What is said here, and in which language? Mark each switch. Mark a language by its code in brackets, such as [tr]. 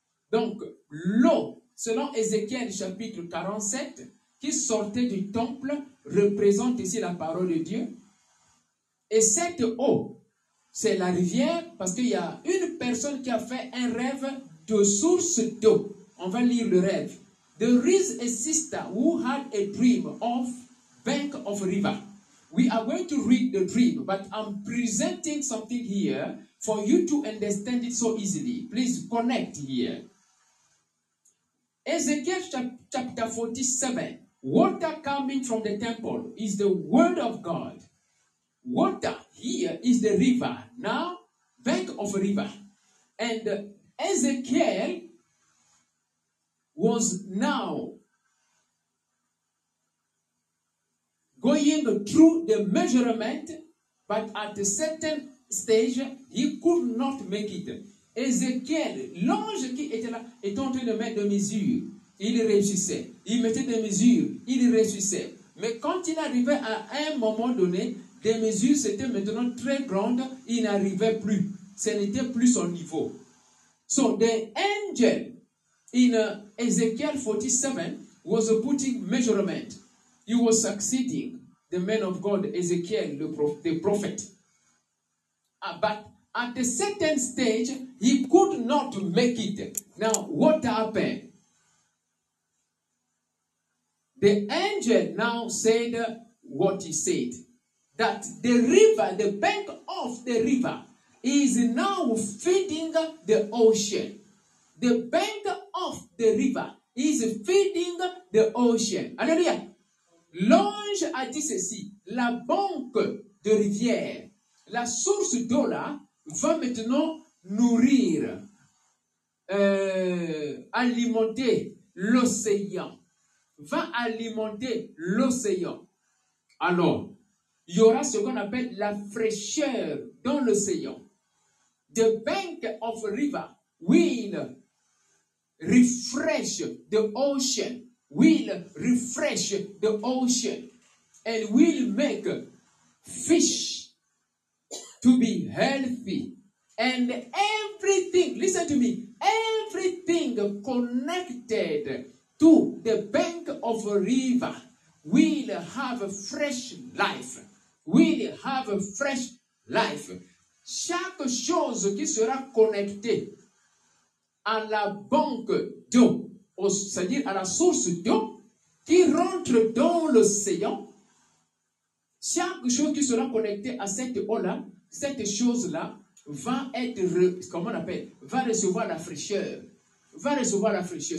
[fr] Donc, l'eau, selon Ézéchiel chapitre 47, qui sortait du temple, représente ici la parole de Dieu. Et cette eau, c'est la rivière, parce qu'il y a une personne qui a fait un rêve de source d'eau. On va lire le rêve. [en] There is a sister who had a dream of bank of river. We are going to read the dream, but I'm presenting something here for you to understand it so easily. Please connect here. Ezekiel chapter 47. Water coming from the temple is the word of God. Water here is the river. Now, bank of a river. And Ezekiel was now going through the measurement, but at a certain stage, he could not make it. [fr] Ezekiel, l'ange qui était là, était en train de mettre des mesures. Il réussissait. Il mettait des mesures. Il réussissait. Mais quand il arrivait à un moment donné, des mesures étaient maintenant très grandes. Il n'arrivait plus. Ce n'était plus son niveau. [en] So, the angel in Ezekiel 47 was putting measurement. He was succeeding the man of God, Ezekiel, the prophet. But at a certain stage, he could not make it. Now, what happened? The angel now said what he said. That the river, the bank of the river, is now feeding the ocean. The bank of the river is feeding the ocean. [fr] Alléluia! L'ange a dit ceci, la banque de rivière, la source d'eau là, va maintenant nourrir, alimenter l'océan, va alimenter l'océan. Alors, il y aura ce qu'on appelle la fraîcheur dans l'océan. [en] The bank of river will refresh the ocean. Will refresh the ocean and will make fish to be healthy. And everything, listen to me, everything connected to the bank of a river will have a fresh life. Will have a fresh life. [fr] Chaque chose qui sera connectée à la banque d'eau, c'est-à-dire à la source d'eau qui rentre dans l'océan, chaque chose qui sera connectée à cette eau-là, cette chose-là va être, comment on appelle, va recevoir la fraîcheur. Va recevoir la fraîcheur.